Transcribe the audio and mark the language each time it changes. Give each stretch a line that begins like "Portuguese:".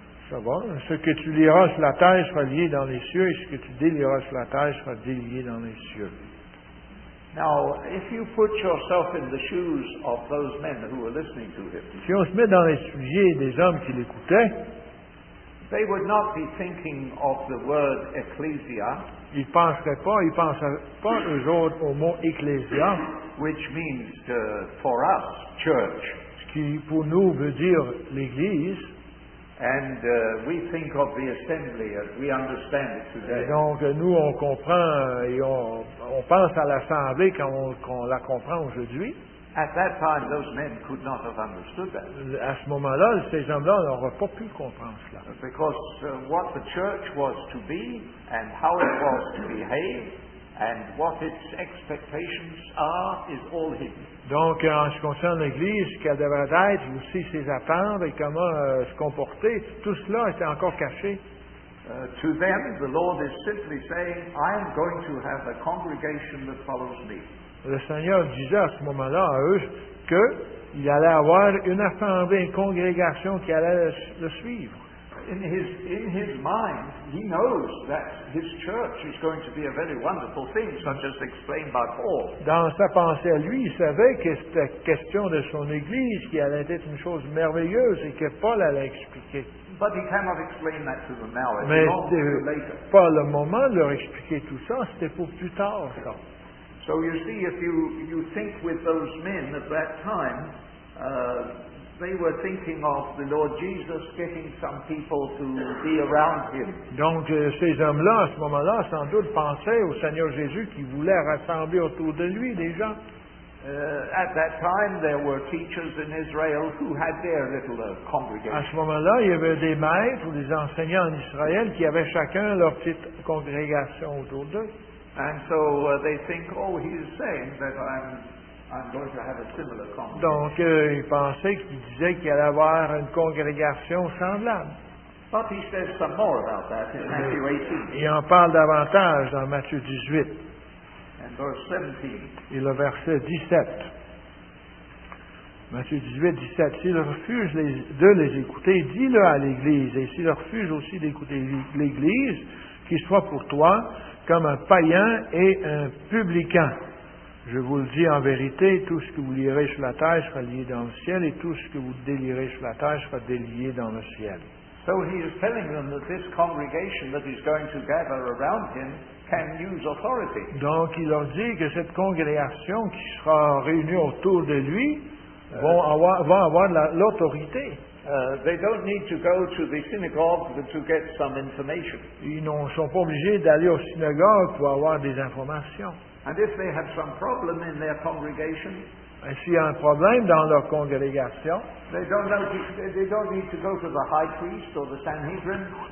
French: Ça va. Ce que tu liras sur la terre sera lié dans les cieux et ce que tu délieras sur la terre sera délié dans les cieux.
English: Now, if you put yourself in the shoes of those men who were listening to him,
French: si on se met dans les souliers des hommes qui l'écoutaient,
English: they would not be thinking of the word ecclesia.
French: Ils penseraient pas, ils penseraient pas eux autres au mot ecclesia,
English: which means for us church.
French: Ce qui pour nous veut dire l'église.
English: And we think of the assembly as we understand it today.
French: Et donc nous on comprend et on pense à l'assemblée quand on la comprend aujourd'hui.
English: At that time, those men could not have understood that.
French: À ce moment-là, ces hommes-là n'auraient pas pu comprendre cela.
English: Because what the church was to be and how it was to behave and what its expectations are is all hidden.
French: Donc, en ce qui concerne l'Église, ce qu'elle devrait être, aussi ses attentes et comment se comporter, tout cela était encore caché.
English: To them, the Lord is simply saying, I am going to have a congregation that follows me.
French: Le Seigneur disait à ce moment-là à eux qu'il allait avoir une assemblée, une congrégation qui allait le suivre.
English: In his mind, he knows that his church is going to be a very wonderful thing, such as explained by Paul.
French: Dans sa pensée à lui, il savait que c'était question de son église qui allait être une chose merveilleuse et que Paul allait expliquer.
English: But he cannot explain that to them now.
French: Mais c'était pas le moment de leur expliquer tout ça, c'était pour plus tard, ça.
English: So you see, if you think with those men at that time, they were thinking of the Lord Jesus getting some people to be around him.
French: Donc ces hommes-là, à ce moment-là, sans doute pensaient au Seigneur Jésus qui voulait rassembler autour de lui des gens.
English: At that time, there were teachers in Israel who had their little congregation.
French: À ce moment-là, il y avait des maîtres ou des enseignants en Israël qui avaient chacun leur petite congrégation autour d'eux.
English: And so they think, oh, he is saying that I'm going to have a similar congregation.
French: Donc, il pensait qu'il disait qu'il allait avoir une congrégation semblable.
English: But he says some more about that in Matthew 18.
French: Il en parle davantage dans Matthieu 18.
English: And verse 17.
French: Et le verset 17. Matthieu 18, 17. S'il refuse de les écouter, dis-le à l'Église. Et s'il refuse aussi d'écouter l'Église, qu'il soit pour toi comme un païen et un publicain. Je vous le dis en vérité, tout ce que vous lirez sur la terre sera lié dans le ciel, et tout ce que vous délierez sur la terre sera délié dans le ciel.
English: So he is telling them that this congregation that he's going to gather around him can use authority.
French: Donc il leur dit que cette congrégation qui sera réunie autour de lui va avoir l'autorité.
English: They don't need to go to the synagogue to get some information.
French: Ils ne sont pas obligés d'aller au synagogue pour avoir des informations.
English: And if they have some problem in their congregation,
French: et s'il y a un problème dans leur congrégation,
English: they don't need to go to the high priest or the Sanhedrin.